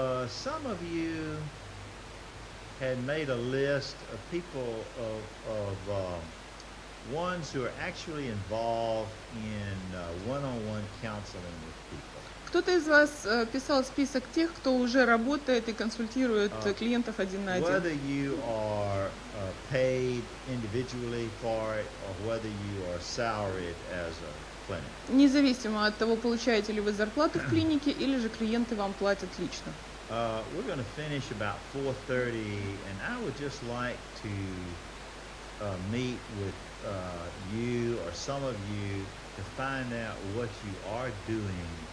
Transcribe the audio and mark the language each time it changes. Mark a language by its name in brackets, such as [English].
[English] Some of you had made a list of people of ones who are actually involved in one-on-one counseling with people. [Russian] Кто-то из вас писал список тех, кто уже работает и консультирует клиентов один на один. [English] Whether you are paid individually for it or whether you are salaried as a clinic. [Russian] Независимо от того, получаете ли вы зарплату в клинике или же клиенты вам платят лично. [English] We're going to finish about 4:30 and I would just like to meet with you or some of you to find out what you are doing